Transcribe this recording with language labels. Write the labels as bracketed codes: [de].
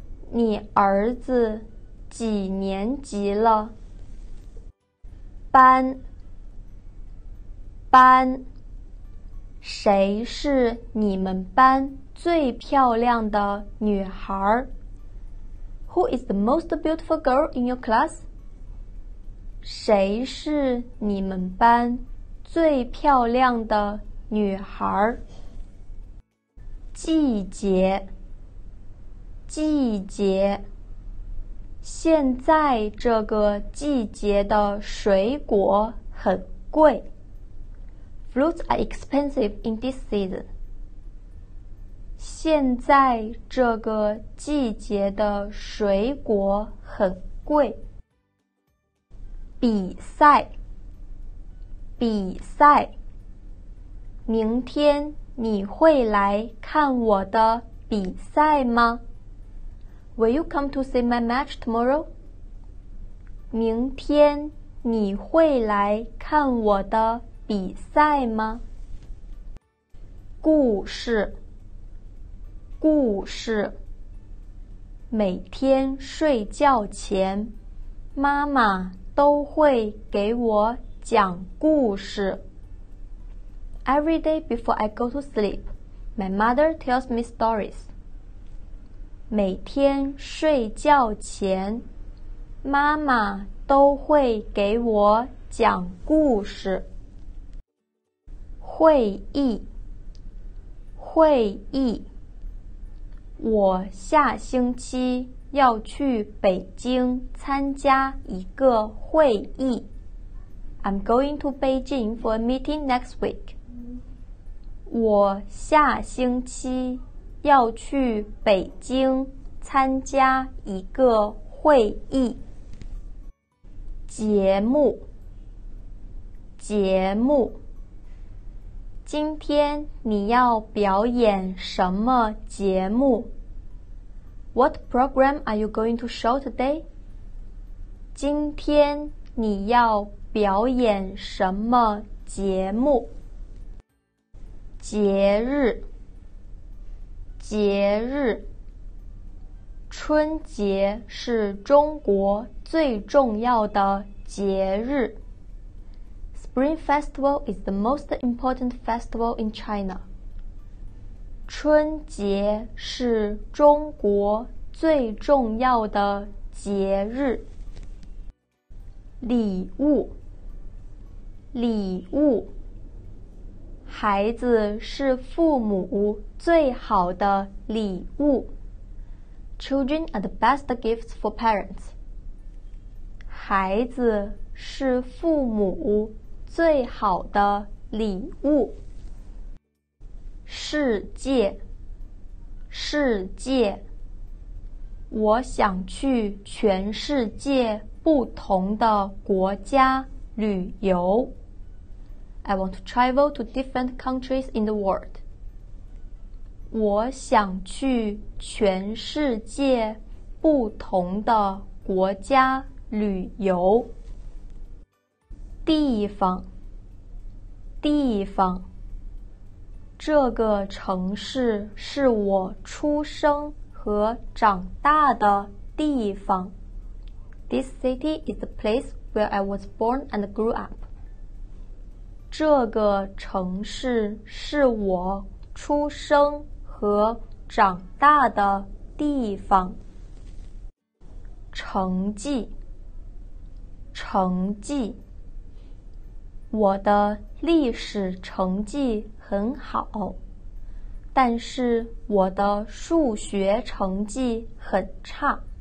[zh] 你儿子几年级了？班，班。谁是你们班最漂亮的女孩？ [en] Who is the most beautiful girl in your class? [zh] 谁是你们班最漂亮的女孩？季节，季节。现在这个季节的水果很贵。 [en] Fruits are expensive in this season. [zh] 现在这个季节的水果很贵。比赛，比赛。明天你会来看我的比赛吗？ [en] Will you come to see my match tomorrow? [zh] 明天你会来看我的比赛吗？故事，故事。每天睡觉前，妈妈都会给我讲故事。 [en] Every day before I go to sleep, my mother tells me stories. [zh] 每天睡觉前，妈妈都会给我讲故事。会议，会议。我下星期要去北京参加一个会议。 [en] I'm going to Beijing for a meeting next week. [zh] 我下星期要去北京参加一个会议。节目，节目。今天你要表演什么节目？ [en] What program are you going to show today? [zh] 今天你要表演什么节目？节日，节日。春节是中国最重要的节日。 [en] Spring Festival is the most important festival in China. [zh] 春节是中国最重要的节日。礼物，礼物。孩子是父母最好的礼物。 [en] Children are the best gifts for parents. [zh] 孩子是父母最好的礼物。世界，世界。我想去全世界不同的国家旅游。 [en] I want to travel to different countries in the world. [zh] 我想去全世界不同的国家旅游。地方，地方。这个城市是我出生和长大的地方。 [en] This city is the place where I was born and grew up. [zh] 这个城市是我出生和长大的地方。成绩，成绩。我的历史成绩很好，但是我的数学成绩很差。